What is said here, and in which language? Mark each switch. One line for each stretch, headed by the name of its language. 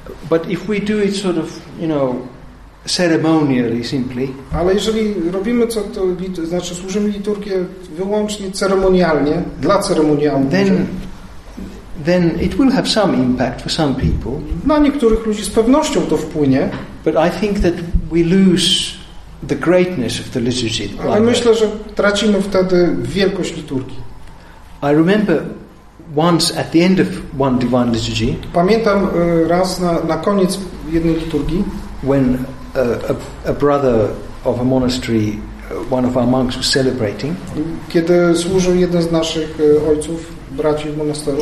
English: But if we do it sort of, you know, ceremonially simply.
Polish: Ale jeżeli robimy co to, znaczy służymy liturgię wyłącznie ceremonialnie, dla ceremonialnie.
English: Then it will have some impact for some people.
Polish: Na niektórych ludzi z pewnością to wpłynie.
English: But I think that we lose the greatness of the liturgy.
Polish: Ale myślę, że tracimy wtedy wielkość liturgii.
English: I remember once at the end of one divine liturgy.
Polish: Pamiętam raz na koniec jednej liturgii,
English: when a brother of a monastery, one of our monks, was celebrating.
Polish: Kiedy służył jeden z naszych ojców, braci w monasteru.